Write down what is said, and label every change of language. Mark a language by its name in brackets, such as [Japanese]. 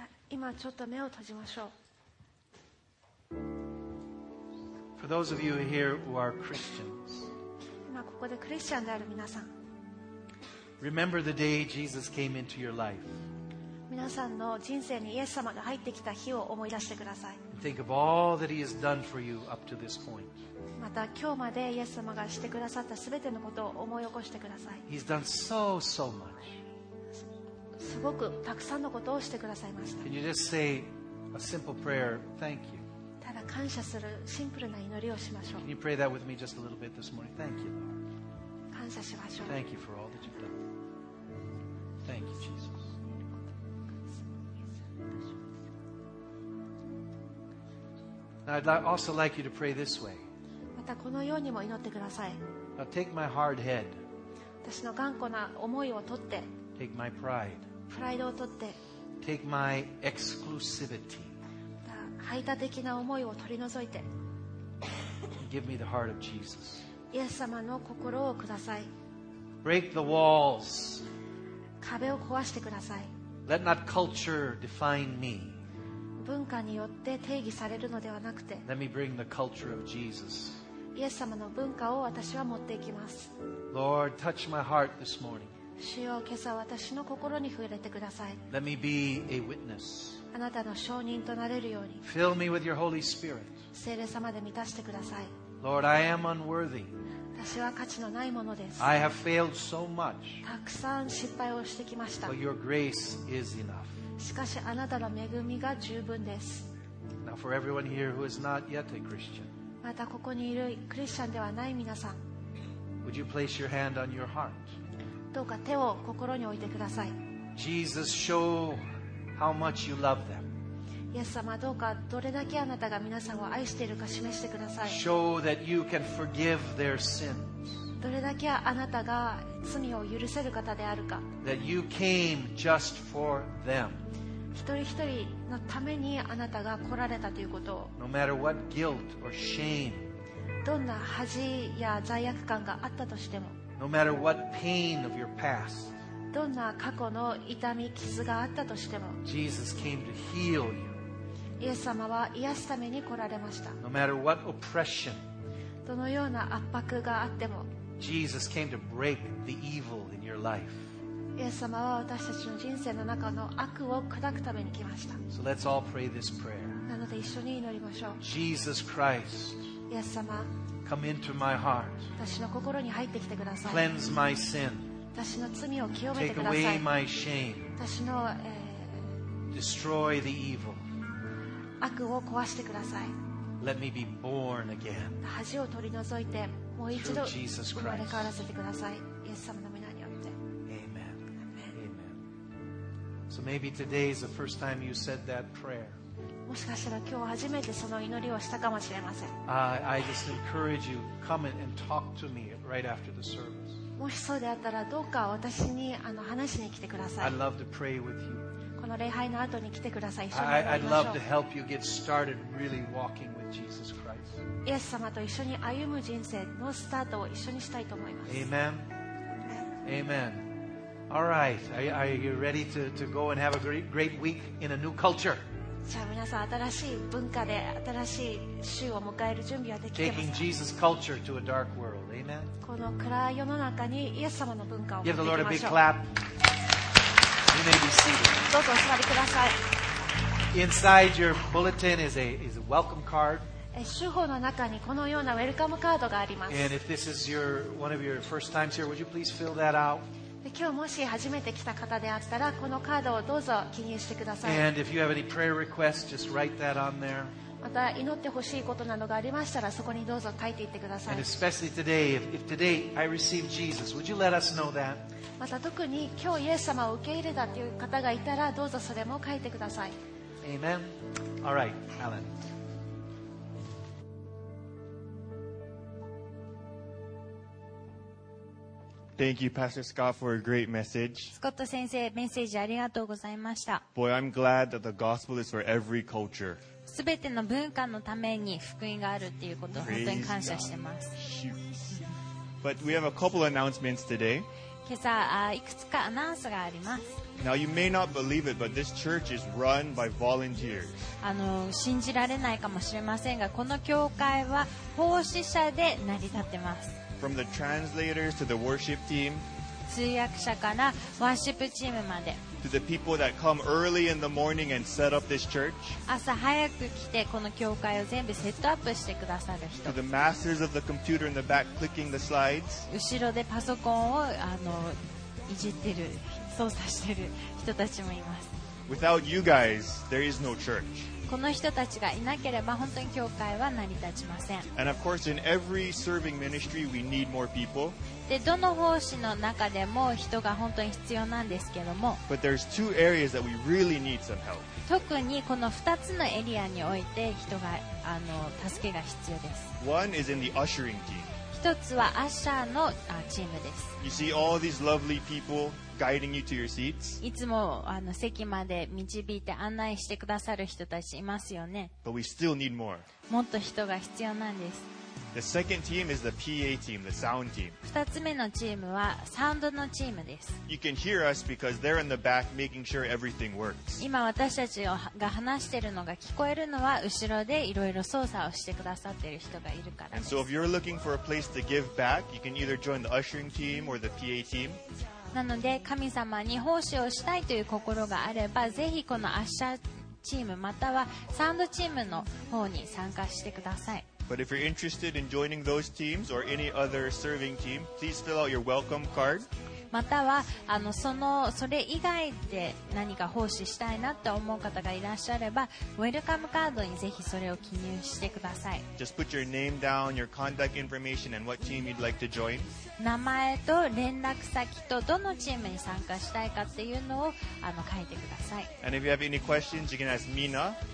[Japanese] 今ちょっと目を閉じましょう。 [English] For those of you here who are Christians, [Japanese] 今ここでクリスチャンである皆さん、 [English] Remember the day Jesus came into your life. [Japanese] 皆さんの人生にイエス様が入ってきた日を思い出してください。 [English] And think of all that he has done for you up to this point. [Japanese] また今日までイエス様がしてくださったすべてのことを思い起こしてください。 [English] He's done so, so much. [Japanese] すごくたくさんのことをしてくださいました。 [English] Can you just say a simple prayer? Thank you. [Japanese] ただ感謝するシンプルな祈りをしましょう。 [English] Can you pray that with me just a little bit this morning? Thank you, Lord. [Japanese] 感謝しましょう。 [English] Thank you for all that you've done. Thank you, Jesus. Now, I'd also like you to pray this way. [Japanese] またこのようにも祈ってください。 [English] Now, take my hard head. [Japanese] 私の頑固な思いを取って、 [English] Take my pride. [Japanese] プライドを取って。 [English] Take my exclusivity. [Japanese] 排他的な思いを取り除いて。 [English] Give me the heart of Jesus. [Japanese] イエス様の心をください。 [English] Break the walls. [Japanese] 壁を壊してください。 [English] Let not culture define me. [Japanese] 文化によって定義されるのではなくて。 [English] Let me bring the culture of Jesus. [Japanese] イエス様の文化を私は持っていきます。 [English] Lord, touch my heart this morning. [Japanese] 主よ、今朝私の心に触れてください。 [English] Let me be a witness. [Japanese] あなたの証人となれるように。 [English] Fill me with your Holy Spirit. [Japanese] 聖霊様で満たしてください。 [English] Lord, I am unworthy. [Japanese] 私は価値のないものです。 [English] I have failed so much. [Japanese] たくさん失敗をしてきました。 [English] But your grace is enough. [Japanese] しかしあなたの恵みが十分です。 [English] Now for everyone here who is not yet a Christian. [Japanese] またここにいるクリスチャンではない皆さん。 [English] Would you place your hand on your heart? [Japanese] どうか手を心に置いてください。 [English] Jesus, show how much you love them. [Japanese] イエス様、どうかどれだけあなたが皆さんを愛しているか示してください。 [English] Show that you can forgive their sins. [Japanese] どれだけあなたが罪を許せる方であるか。 [English] That you came just for them. [Japanese] 一人一人のためにあなたが来られたということを。 [English] No matter what guilt or shame. [Japanese] どんな恥や罪悪感があったとしても。 [English] No matter what pain of your past, [Japanese] どんな過去の痛み傷があったとしても、 [English] Jesus came to heal you. [Japanese] イエス様は癒すために来られました。 [English] No matter what oppression, [Japanese] どのような圧迫があっても、 [English] Jesus came to break the evil in your life. [Japanese] イエス様は私たちの人生の中の悪を砕くために来ました。 [English] So let's all pray this prayer. [Japanese] なので一緒に祈りましょう。 [English] Jesus Christ, [Japanese] イエス様。 [English] Come into my heart. [Japanese] 私の心に入ってきてください。 [English] Cleanse my sin. [Japanese] 私の罪を清めてください。 [English] Take away my shame. [Japanese] 私の、 [English] Destroy the evil. [Japanese] 悪を壊してください。 [English] Let me be born again. [Japanese] 恥を取り除いて、もう一度生まれ変わらせてください。イエス様の名によって。 [English] Amen. Amen. So maybe today is the first time you said that prayer. [Japanese] もしかしたら今日初めてその祈りをしたかもしれません。 [English] I just encourage you, come and talk to me right after the service. [Japanese] もしそうであったらどうか私に話しに来てください。 [English] I'd love to pray with you. [Japanese] この礼拝の後に来てください。一緒に祈りましょう。 [English] I'd love to help you get started really walking with Jesus Christ. [Japanese] イエス様と一緒に歩む人生のスタートを一緒にしたいと思います。 [English] Amen. Amen. All right. Are you ready to go and have a great week in a new culture? [Japanese] じゃあ皆さん新しい文化で新しい週を迎える準備はできてますか [English] Taking Jesus culture to a dark world. Amen. [Japanese] この暗い世の中にイエス様の文化を [English] Give the Lord a big clap. You may be seated. [Japanese] どうぞお座りください。 [English] Inside your bulletin is a welcome card. [Japanese] 週報の中にこのようなウェルカムカードがあります。 [English] And if this is one of your first times here, would you please fill that out? [Japanese] で今日もし初めて来た方であったらこのカードをどうぞ記入してください。 [English] And if you have any prayer requests, just write that on there. [Japanese] また祈ってほしいことなどがありましたらそこにどうぞ書いていってください。 [English] And especially today, if today I receive Jesus, would you let us know that? [Japanese] また特に今日イエス様を受け入れたという方がいたらどうぞそれも書いてください。 [English] Amen. All right, Alan. Thank you, Pastor Scott, for a great message. [Japanese] スコット先生、メッセージありがとうございました。 [English] Boy, I'm glad that the gospel is for every culture. [Japanese] すべての文化のために福音があるということを本当に感謝してます。 [English] But we have a couple announcements today. [Japanese] 今朝いくつかアナウンスがあります。 [English] Now you may not believe it, but this church is run by volunteers. [Japanese] 信じられないかもしれませんがこの教会は奉仕者で成り立ってます。 [English] From the translators to the worship team, [Japanese] 通訳者からワーシップチームまで、 [English] to the people that come early in the morning and set up this church, [Japanese] 朝早く来てこの教会を全部セットアップしてくださる人、 [English] to the masters of the computer in the back clicking the slides, [Japanese] 後ろでパソコンをいじってる操作してる人たちもいます。 [English] Without you guys, there is no church. [Japanese] この人たちがいなければ本当に教会は成り立ちません。 [English] And of course, in every serving ministry, we need more people. [Japanese] で、どの奉仕の中でも人が本当に必要なんですけども。 [English] But there's two areas that we really need some help. [Japanese] 特にこの2つのエリアにおいて人が助けが必要です。 [English] One is in the ushering team. [Japanese] 一つはアッシャーのチームです。 [English] You see all these lovely people. Guiding you to your seats. [Japanese] いつも席まで導いて案内してくださる人たちいますよね。 [English] But we still need more. [Japanese] もっと人が必要なんです。 [English] The second team is the PA team, the sound team. [Japanese] 2つ目のチームはサウンドのチームです。 [English] You can hear us because they're in the back making sure everything works. [Japanese] 今私たちが話しているのが聞こえるのは後ろでいろいろ操作をしてくださっている人がいるからです。 [English] And so if you're looking for a place to give back, you can either join the ushering team or the PA team. [Japanese] なので神様に奉仕をしたいという心があればぜひこのアッシャーチームまたはサウンドチームの方に参加してください。 [English] But if you're interested in joining those teams or any other serving team, please fill out your welcome card. [Japanese] またはそれ以外で何か奉仕したいなと思う方がいらっしゃればウェルカムカードにぜひそれを記入してください。 [English] Just put your name down, your contact information and what team you'd like to join. [Japanese] 名前と連絡先とどのチームに参加したいかっていうのを書いてください。 [English] And if you have any questions, you can ask Mina.